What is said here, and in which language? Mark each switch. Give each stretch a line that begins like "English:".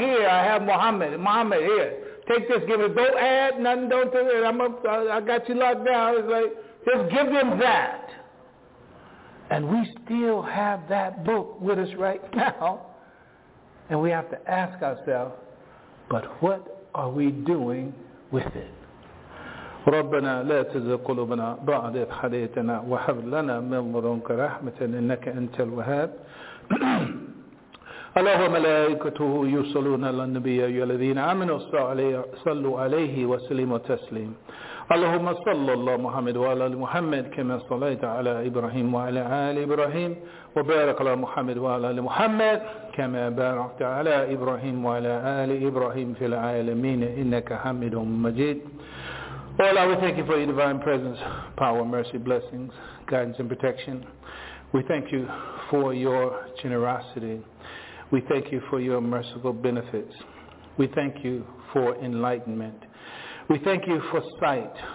English: Here, I have Muhammad. Muhammad, here. Take this, give it. Don't add nothing. Don't do it. I got you locked down. It's like, just give him that. And we still have that book with us right now. And we have to ask ourselves, but what are we doing with it?
Arabic: ربنا لا تزغ قلوبنا بعد إذ هديتنا وهب لنا من لدنك رحمة إنك أنت الوهاب. الله وملائكته يصلون على النبي يا الذين آمنوا صلوا عليه وسلموا تسليما. اللهم صل الله محمد وعلى محمد كما صليت على إبراهيم وعلى آل إبراهيم وبارك على محمد وعلى محمد كما باركت على إبراهيم وعلى آل إبراهيم في العالمين إنك حميد مجيد.
English: Oh Allah, we thank you for your divine presence, power, mercy, blessings, guidance and protection. We thank you for your generosity. We thank you for your merciful benefits. We thank you for enlightenment. We thank you for sight.